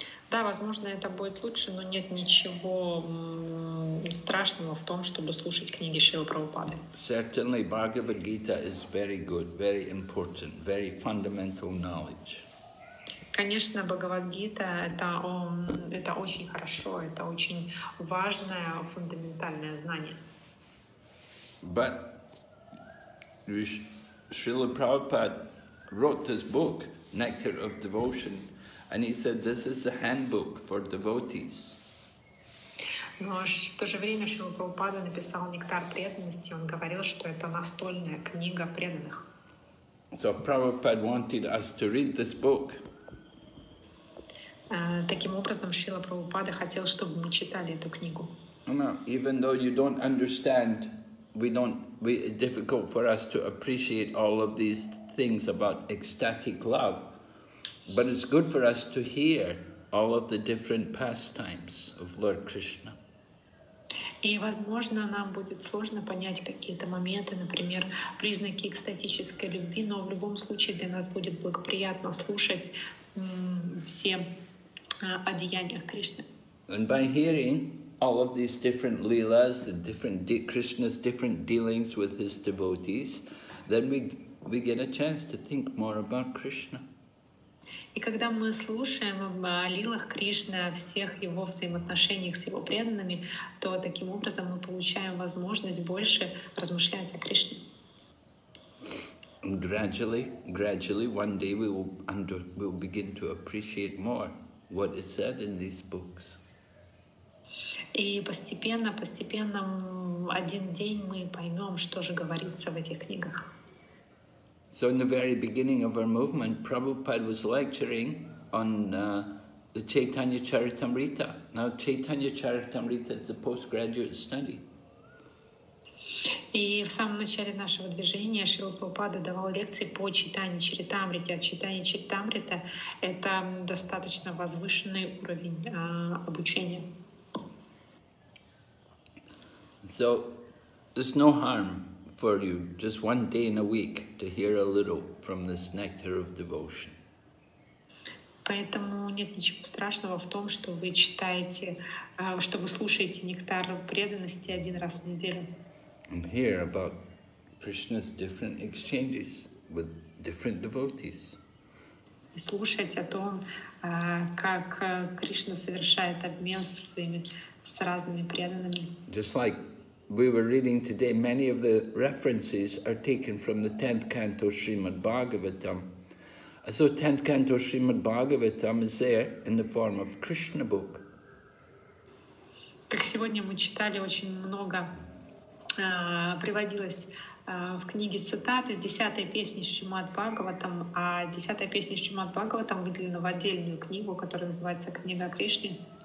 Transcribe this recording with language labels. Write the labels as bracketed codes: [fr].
[ru] Да, возможно, это будет лучше, но нет ничего страшного в том, чтобы слушать книги Шрилы Прабхупады. [en] Certainly, Bhagavad Gita is very good, very important, very fundamental knowledge. [ru] Конечно, Бхагавад-гита это очень хорошо, это очень важное фундаментальное знание. [en] But Srila Prabhupada wrote this book, Nectar of Devotion, and he said this is a handbook for devotees. [ru] Но в то же время Шрила Прабхупада написал Нектар преданности, он говорил, что это настольная книга преданных. [en] So Prabhupada wanted us to read this book. [ru] Таким образом, Шрила Прабхупада хотел, чтобы мы читали эту книгу. [en] No, even though you don't understand, it's difficult for us to appreciate all of these things about ecstatic love, but it's good for us to hear all of the different pastimes of Lord Krishna. [ru] И, возможно, нам будет сложно понять какие-то моменты, например, признаки экстатической любви, но в любом случае для нас будет благоприятно слушать все о деяниях Кришны. [en] And by hearing all of these different leelas, the different Krishna's different dealings with his devotees, then we get a chance to think more about Krishna. [ru] И когда мы слушаем о лилах Кришны, о всех его взаимоотношениях с его преданными, то таким образом мы получаем возможность больше размышлять о Кришне. [en] And gradually, one day we will begin to appreciate more what is said in these books. [ru] И постепенно, один день мы поймем, что же говорится в этих книгах. [en] So in the very beginning of our movement, Prabhupada was lecturing on the Chaitanya Charitamrita. Now Chaitanya Charitamrita is a postgraduate study. [ru] И в самом начале нашего движения Шрила Прабхупада давал лекции по Чайтанья Чаритамрите. А Чайтанья Чаритамрита — это достаточно возвышенный уровень обучения. [en] So, there's no harm for you just one day in a week to hear a little from this nectar of devotion. [ru] Поэтому нет ничего страшного в том, что вы читаете, что вы слушаете нектар преданности один раз в неделю. [en] And hear about Krishna's different exchanges with different devotees. [ru] И слушать о том, как Кришна совершает обмен с разными преданными. [en] Just like we were reading today, many of the references are taken from the 10th canto Srimad Bhagavatam. So 10th canto Srimad Bhagavatam is there in the form of Krishna book. [ru] Как сегодня мы читали очень много приводилось в книге цитаты из 10-й песни Шримад Бхагаватам, а 10-я песня Шримад Бхагаватам выделена в отдельную книгу, которая называется «Книга Кришны».